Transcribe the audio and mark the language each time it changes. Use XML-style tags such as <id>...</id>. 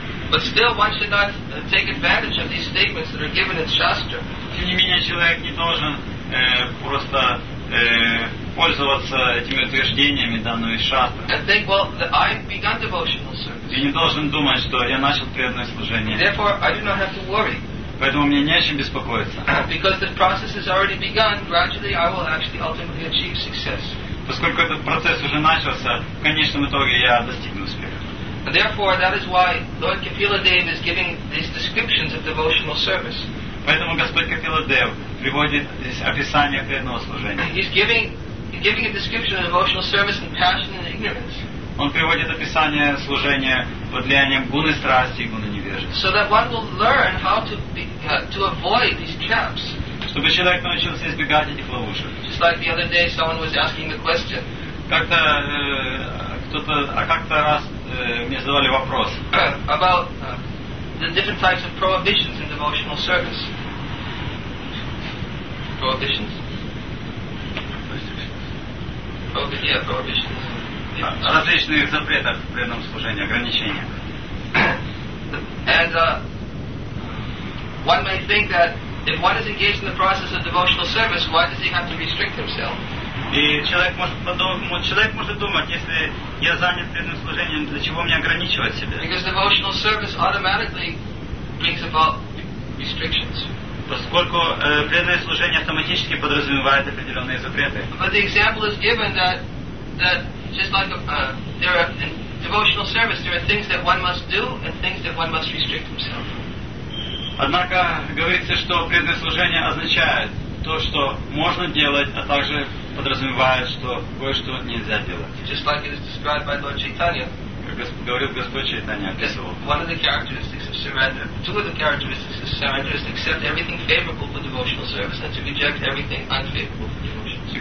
<en>But still, one should not take advantage of these statements that are given in Shastra.</en> <ru>Тем не менее, человек не должен просто пользоваться этими утверждениями, данными из Шастры.</ru> <en>And think, well, I've begun devotional service.</en> <ru>И не должен думать, что я начал преданное служение.</ru> <en>Therefore, I do not have to worry.</en> <ru>Поэтому мне не о чем беспокоиться.</ru> <en>Because the process has already begun, gradually I will actually ultimately achieve success.</en> <ru>Поскольку этот процесс уже начался, в конечном итоге я достигну успеха.</ru> <en>Therefore, that is why Lord Kapila Dev is giving these descriptions of devotional service.</en> <ru>Поэтому Господь Капила Дев приводит здесь описание преданного служения.</ru> <en>He's giving a description of devotional service in passion and ignorance.</en> <ru>Он приводит описание служения под влиянием гуны страсти и гуны невежества.</ru> <en>So that one will learn how to avoid these traps.</en> <ru>Чтобы человек научился избегать этих ловушек.</ru> <en>Just like the other day, someone was asking the question.</en> <ru>Как-то кто-то, а как-то раз мне задавали вопрос.</ru> <en>About the different types of prohibitions in devotional service. Prohibitions. Prohibitions.</en> <ru>Различные запреты в преданном служении, ограничения.</ru> <en>And one may think that if one is engaged in the process of devotional service, why does he have to restrict himself?</en> <ru>И человек может думать, если я занят преданным служением, для чего мне ограничивать себя?</ru> <en>Because devotional service automatically brings about restrictions.</en> <ru>Поскольку преданное служение автоматически подразумевает определенные запреты.</ru> <en>But the example is given that just like in devotional service, there are things that one must do and things that one must restrict himself.</en> <ru>Однако говорится, что преданное служение означает то, что можно делать, а также подразумевает, что кое-что нельзя делать.</ru> <en>Just like it is described by Lord Chaitanya.</en> <ru>Говорит Господь Чайтанья, описывал.</ru> <en>One of the characteristics of surrender, two of the characteristics of surrender is to accept everything favorable for devotional service and to reject everything unfavorable for devotion.</en>